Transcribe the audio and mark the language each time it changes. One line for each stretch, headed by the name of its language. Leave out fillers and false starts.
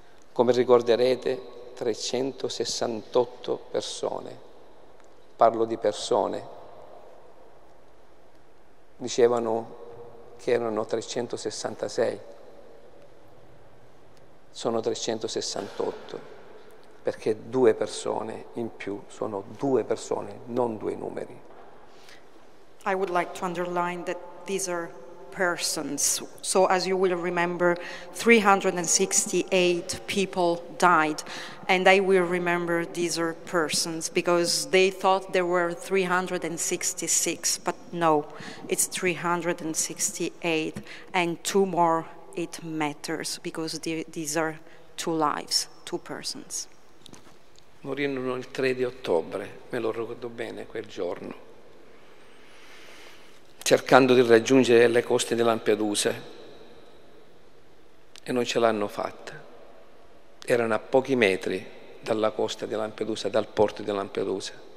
Italian: Come ricorderete, 368 persone, parlo di persone, dicevano che erano 366, sono 368, perché due persone in più sono due persone, non due numeri,
English: I would like to underline that these are persons. So as you will remember, 368 people died, and I will remember these are persons because they thought there were 366, but no, it's 368, and two more, it matters because these are two lives, two persons.
Italian: Morirono il 3 di ottobre, me lo ricordo bene quel giorno. Cercando di raggiungere le coste di Lampedusa e non ce l'hanno fatta. Erano a pochi metri dalla costa di Lampedusa, dal porto di Lampedusa.